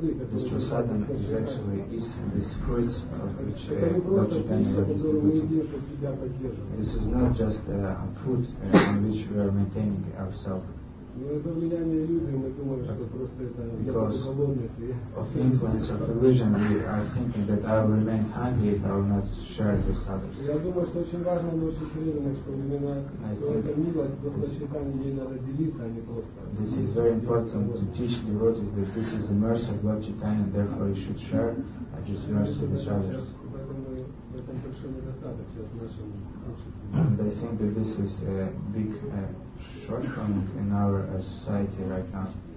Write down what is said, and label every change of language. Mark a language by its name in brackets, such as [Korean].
[English] this prasadam is actually is this fruits of which Lord Chaitanya is distributing. This is not just a food on which we are maintaining ourselves. Because of influence of illusion, we are thinking that I will remain hungry if I will not share it with others. [Russian] Я думаю, что очень важно научить преданных, чтобы именно только милость после читания ей надо делиться, а не просто. [English] This is very important to teach devotees that this is the mercy of Lord Chaitanya, and therefore you should share this mercy with others. And I think that this is a big shortcoming in our society right now.